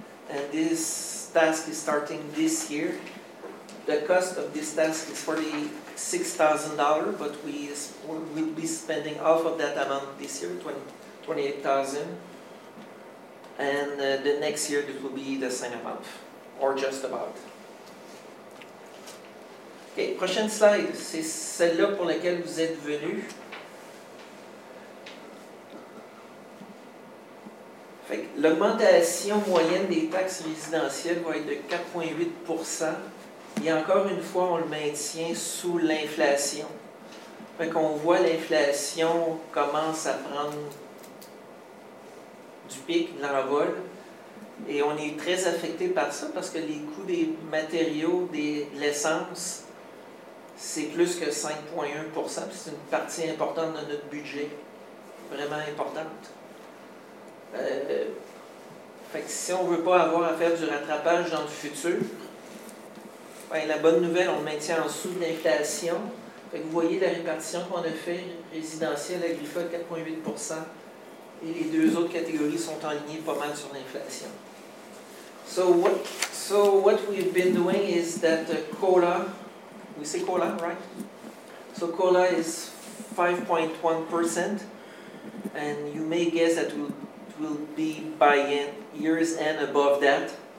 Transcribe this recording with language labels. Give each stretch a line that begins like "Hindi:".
English: And this task is starting this year. The cost of this task is $46,000, but we will be spending half of that amount this year, $28,000. And the next year, it will be the same amount, or just about.
French: Okay, prochaine slide. C'est celle-là pour laquelle vous êtes venu. Fait que l'augmentation moyenne des taxes résidentielles va être de 4,8%. Et encore une fois, on le maintient sous l'inflation. Fait qu'on voit l'inflation commence à prendre du pic, de l'envol. Et on est très affecté par ça parce que les coûts des matériaux, de l'essence, c'est plus que 5,1%. C'est une partie importante de notre budget, vraiment importante. Fait que si on ne veut pas avoir à faire du rattrapage dans le futur, ben, la bonne nouvelle, on le maintient en dessous de l'inflation, Fait que vous voyez la répartition qu'on a fait, résidentiel, agricole, 4,8%, et les deux autres catégories sont en ligne pas mal sur l'inflation.
English: So what we've been doing is that COLA, we say COLA, right? So COLA is 5.1%, and you may guess that will be by year's end above that.